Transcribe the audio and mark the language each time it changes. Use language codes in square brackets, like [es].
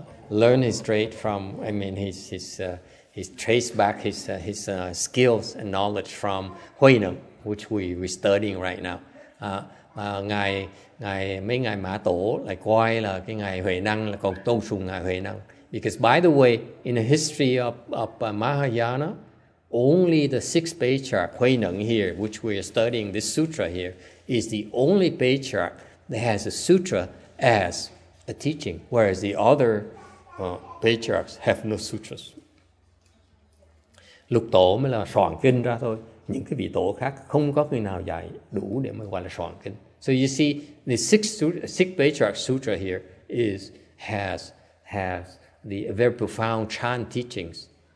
[en] learn his trade from, I mean, his trace back his skills and knowledge from Huy Nam, which we're studying right now. [vi] Ngài Mã Tổ lại coi là cái ngài Huệ Năng là còn tôn sùng ngài Huệ Năng. [en] Because by the way, in the history of Mahayana, only the sixth patriarch Huệ Năng here, which we are studying this sutra here, is the only patriarch that has a sutra as a teaching, whereas the other patriarchs have no sutras. [vi] Lục Tổ mới là soạn kinh ra thôi. Những cái vị tổ khác không có người nào dạy đủ để mà gọi là soạn kinh. [en] So you see, the six patriarch sutra here has the very profound Chan teachings.